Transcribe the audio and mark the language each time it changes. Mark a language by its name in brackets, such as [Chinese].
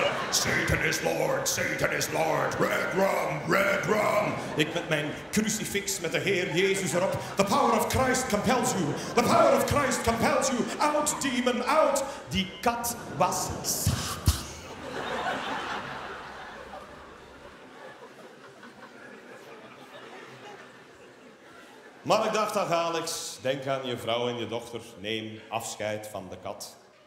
[English] Satan is Lord, Satan is Lord, red rum, red rum. [Dutch] Ik met mijn crucifix met de Heer Jezus erop. [English] The power of Christ compels you, the power of Christ compels you. Out, demon, out. [Dutch] Die kat was maar ik dacht aan Alex, denk aan je vrouw en je dochter, neem afscheid van de kat.